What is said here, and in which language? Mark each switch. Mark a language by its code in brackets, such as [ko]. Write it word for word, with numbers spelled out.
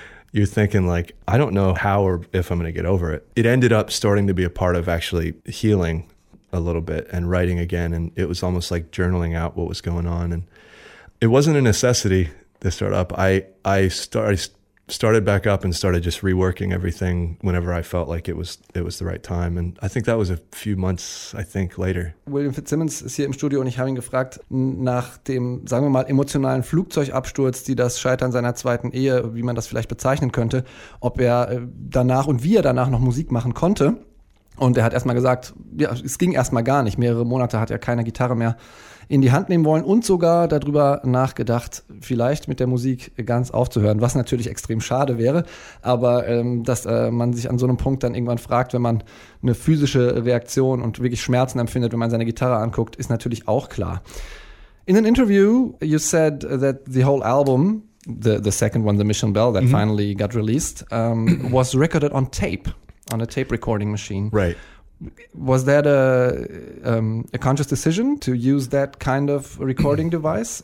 [en] You're thinking like, I don't know how or if I'm going to get over it. It ended up starting to be a part of actually healing a little bit and writing again. And it was almost like journaling out what was going on. And it wasn't a necessity to start up. I, I, start, I started back up and started just reworking everything whenever I felt like it was, it was the right time. And I think that was a few months, I think, later. [de] William Fitzsimmons ist hier im Studio und ich habe ihn gefragt, nach dem, sagen wir mal, emotionalen Flugzeugabsturz, die das Scheitern seiner zweiten Ehe, wie man das vielleicht bezeichnen könnte, ob er danach und wie er danach noch Musik machen konnte. Und er hat erstmal gesagt, ja, es ging erstmal gar nicht. Mehrere Monate hat er keine Gitarre mehr in die Hand nehmen wollen und sogar darüber nachgedacht, vielleicht mit der Musik ganz aufzuhören, was natürlich extrem schade wäre. Aber ähm, dass äh, man sich an so einem Punkt dann irgendwann fragt, wenn man eine physische Reaktion und wirklich Schmerzen empfindet, wenn man seine Gitarre anguckt, ist natürlich auch klar. [en] In an interview, you said that the whole album, the, the second one, the Mission Bell, that mm-hmm. finally got released, um, was recorded on tape. On a tape recording machine. Right. Was that a, um, a conscious decision to use that kind of recording device?